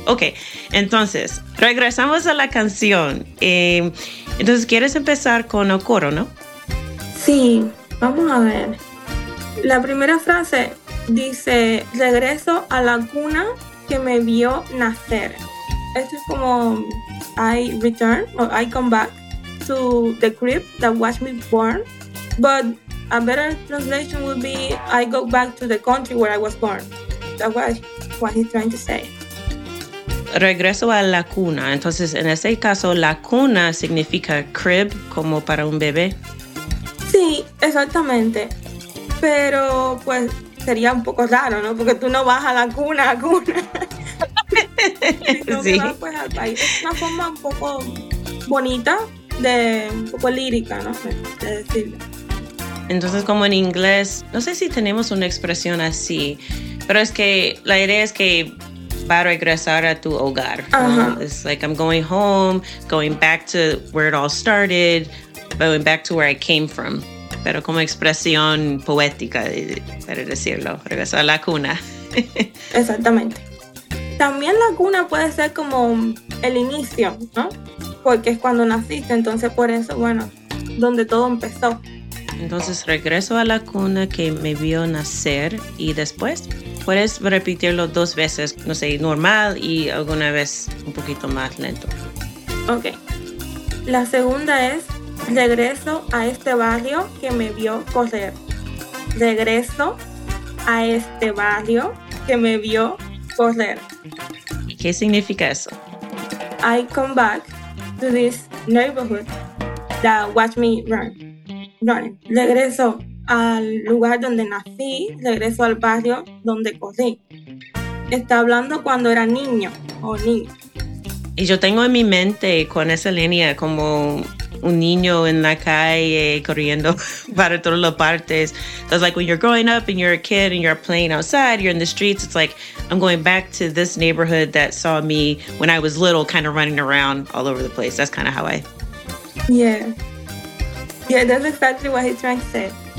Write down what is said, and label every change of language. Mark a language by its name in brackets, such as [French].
[Spanish] Ok, entonces regresamos a la canción. Entonces, ¿quieres empezar con el coro, no? Sí, vamos a ver. La primera frase dice, regreso a la cuna que me vio nacer. Esto es como, [English] I return, or I come back to the crib that watched me born. But a better translation would be, I go back to the country where I was born. That's what he's trying to say. [Spanish] Regreso a la cuna. Entonces, en ese caso, la cuna significa crib, como para un bebé. Sí, exactamente. Pero, pues, sería un poco raro, ¿no? Porque tú no vas a la cuna, a cuna. Sí. Vas, pues, al país. Es una forma un poco bonita, un poco lírica, ¿no? De decirlo. Entonces, como en inglés, no sé si tenemos una expresión así, pero es que la idea es que va a regresar a tu hogar. Uh-huh. [English] It's like, I'm going home, going back to where it all started, going back to where I came from. [Spanish] Pero como expresión poética, para decirlo, regresar a la cuna. Exactamente. También la cuna puede ser como el inicio, ¿no? Porque es cuando naciste, entonces por eso, bueno, donde todo empezó. Entonces regreso a la cuna que me vio nacer y después puedes repetirlo dos veces, no sé, normal y alguna vez un poquito más lento. Ok. La segunda es, regreso a este barrio que me vio correr. Regreso a este barrio que me vio correr. ¿Qué significa eso? [English] I come back to this neighborhood that watch me run. [Spanish] Regreso al lugar donde nací, regreso al barrio donde corrí. Está hablando cuando era niño o niña. Y yo tengo en mi mente con esa línea como un niño en la calle corriendo para todas las partes. [English] It's like when you're growing up and you're a kid and you're playing outside, you're in the streets, it's like I'm going back to this neighborhood that saw me when I was little kind of running around all over the place. That's kind of how I... Yeah, that's exactly what he's trying to say.